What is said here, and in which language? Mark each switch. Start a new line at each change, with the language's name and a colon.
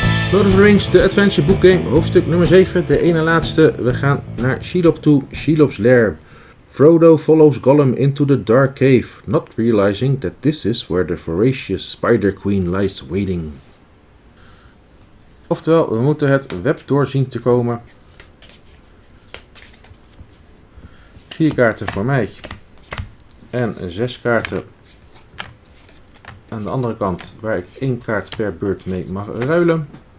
Dutch: Lord of the Rings, de Adventure Book Game, hoofdstuk nummer 7, de ene laatste. We gaan naar Shelob toe, Shelob's lair.
English: Frodo follows Gollum into the dark cave, not realizing that this is where the voracious spider queen lies waiting.
Dutch: Oftewel, we moeten het web doorzien te komen. Vier kaarten voor mij. En zes kaarten aan de andere kant, waar ik één kaart per beurt mee mag ruilen.